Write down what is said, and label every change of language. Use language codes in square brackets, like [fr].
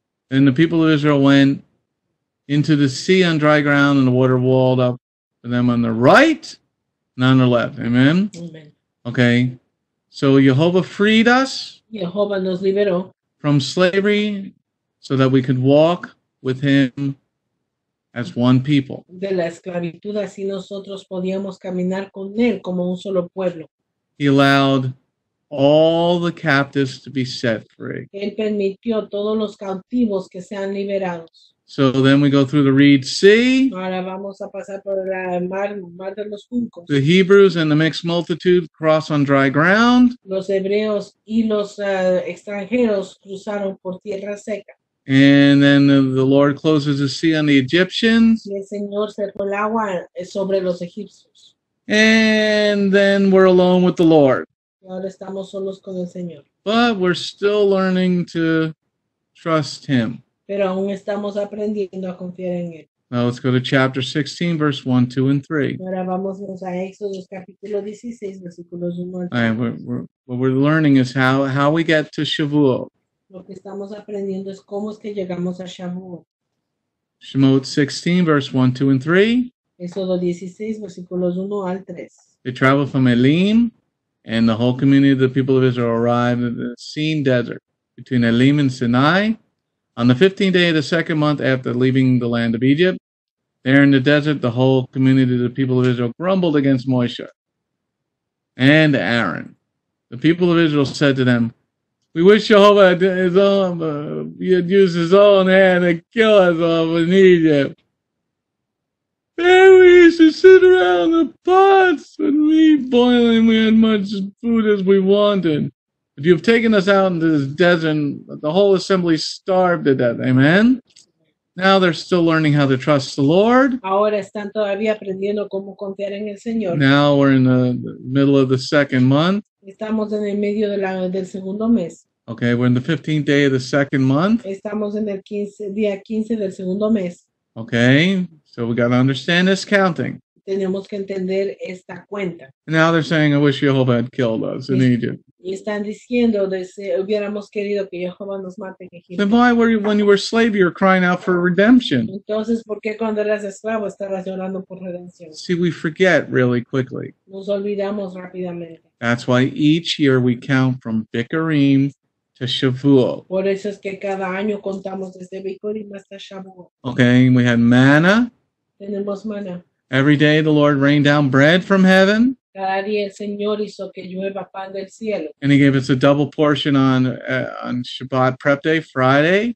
[en] And the people of Israel went into the sea on dry ground, and the water walled up for them on the right and on the left. Amen? Amen. Okay. So Yehovah freed us. [es] Yehovah nos liberó. [en] From slavery, so that we could walk with him as one people. [es] De la esclavitud, así nosotros podíamos caminar con él como un solo pueblo. [en] He allowed all the captives to be set free. [es] Él permitió todos los cautivos que sean liberados. [en] So then we go through the Reed Sea. [es] Ahora vamos a pasar por el mar de los juncos. [en] The Hebrews and the mixed multitude cross on dry ground. [es] Los hebreos y los extranjeros cruzaron por tierra seca. [en] And then the Lord closes the sea on the Egyptians. [es] Y el Señor cerró el agua sobre los egipcios. [en] And then we're alone with the Lord. [es] Y ahora estamos solos con el Señor. [en] But we're still learning to trust him. [es] Pero aún estamos aprendiendo a confiar en él. [en] Now let's go to chapter 16, verse 1, 2, and 3. [es] Ahora vámonos a Éxodo, capítulo 16, versículos 1 al 3. [en] What we're learning is how we get to Shavuot. [es] Lo que estamos aprendiendo es cómo es que llegamos a Shavuot. [en] Shemot 16, verse 1, 2, and 3. [es] Éxodo 16, versículos 1 al 3. [en] They travel from Elim, and the whole community of the people of Israel arrived in the Sin Desert between Elim and Sinai. On the 15th day of the second month after leaving the land of Egypt, there in the desert, the whole community of the people of Israel grumbled against Moshe and Aaron. The people of Israel said to them, "We wish Jehovah had used his own hand to kill us off in Egypt. There we used to sit around the pots and meat boiling. We had much food as we wanted. If you have taken us out into this desert, the whole assembly starved to death." Amen. Now they're still learning how to trust the Lord. [es] Ahora están todavía aprendiendo cómo confiar en el Señor. [en] Now we're in the middle of the second month. [es] Estamos en el medio de del segundo mes. [en] Okay, we're in the 15th day of the second month. [es] Estamos en el 15, día 15 del segundo mes. [en] Okay, so we got to understand this counting. [es] Tenemos que entender esta cuenta. [en] And now they're saying, "I wish Jehovah had killed us in Egypt." [es] Y están diciendo, hubiéramos querido que Jehová nos mate en Egipto. [en] Then why were you, when you were slave, you were crying out for redemption? [es] Entonces, ¿por qué cuando eras esclavo estabas llorando por redención? [en] See, we forget really quickly. [es] Nos olvidamos rápidamente. [en] That's why each year we count from Bikurim to Shavuot. [es] Por eso es que cada año contamos desde Bikurim hasta Shavuot. [en] Okay, we had manna. [es] Tenemos manna. [en] Every day the Lord rained down bread from heaven. [es] Cada día el Señor hizo que llueva pan del cielo. [en] And he gave us a double portion on Shabbat prep day, Friday.